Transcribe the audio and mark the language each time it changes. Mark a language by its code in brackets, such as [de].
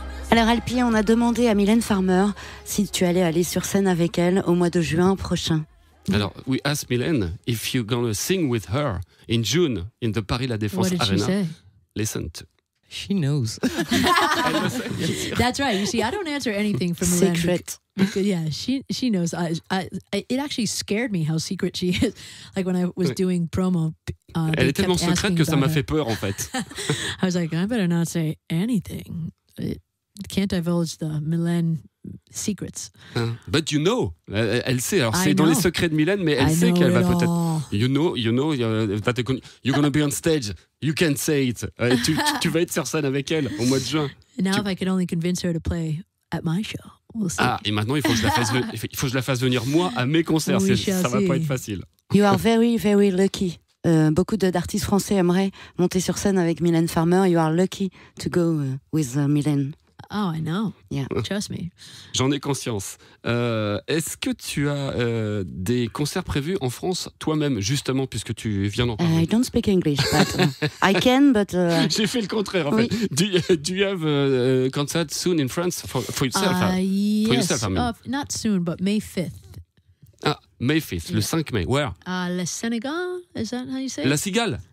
[fr] Alors Alpi, on a demandé à Mylène Farmer si tu allais aller sur scène avec elle au mois de juin prochain. Alors, [en] we asked Mylène if you're going to sing with her in June in the Paris La Défense Arena. What did she say? Listen to. She knows. That's right. You see, I don't answer anything from Mylène. Secret. Because, yeah, she knows. It actually scared me how secret she is. Like when I was doing promo. [fr] Elle est tellement secrète que ça m'a fait peur, en fait. [en] I was like, I better not say anything. Can't divulge the Mylène secrets. But you know, [fr] elle sait. Alors c'est dans les secrets de Mylène, mais elle sait qu'elle va peut-être. [en] You're gonna be on stage. You can't say it. [fr] Tu vas être sur scène avec elle au mois de juin. [en] Now if I could only convince her to play at my show, we'll see. [fr] Ah, et maintenant il faut que je la fasse venir moi à mes concerts. Ça va pas être facile. [en] You are very very lucky. [fr] Beaucoup d'artistes français aimeraient monter sur scène avec Mylène Farmer. [en] You are lucky to go with Mylène. Oh, I know. Yeah. Trust me. [fr] J'en ai conscience. Est-ce que tu as des concerts prévus en France toi-même, justement, puisque tu viens d'en parler? [en] I don't speak English, but I can, but... [fr] J'ai fait le contraire, en oui. fait. [en] Do you have a concert soon in France for yourself? Yes, not soon, but May 5th. Ah, May 5th, yeah. [fr] Le 5 mai. [en] Where? La Sénégal, is that how you say it? [fr] La Cigale.